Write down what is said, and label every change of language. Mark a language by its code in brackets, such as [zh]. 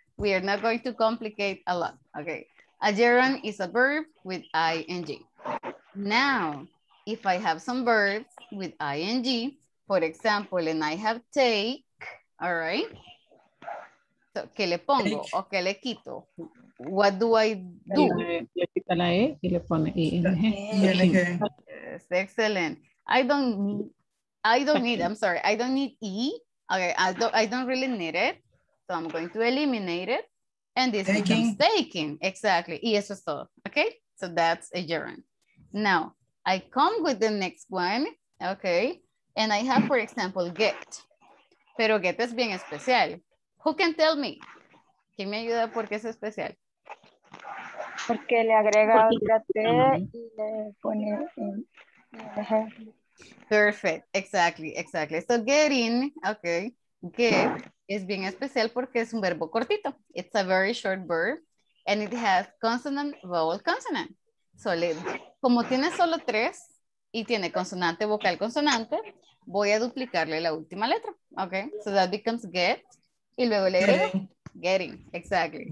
[en] We are not going to complicate a lot. Okay. A gerund is a verb with ING. Now, if I have some verbs with ING, for example, and I have take, all right? [es] So, ¿qué le pongo o qué le quito? [en] What do I do? [es] Le quita la E y le pone ING. [en] Yes, excellent. I don't need E. Okay, I don't really need it. So I'm going to eliminate it. And this taking. Is taking. Exactly. [es] Y eso es todo. [en] Okay, so that's a gerund. Now, I come with the next one. Okay, and I have, for example, get. [es] Pero get es bien especial. [en] Who can tell me? [es] ¿Quién me ayuda por qué es especial? Porque le agrega la T y le pone [en] Perfect, exactly. So getting, okay, [es] get es bien especial porque es un verbo cortito. [en] It's a very short verb and it has consonant, vowel, consonant. [es] So como tiene solo tres y tiene consonante, vocal, consonante, voy a duplicarle la última letra, okay? [en] So that becomes get [es] y luego le agrego [en] getting, exactly.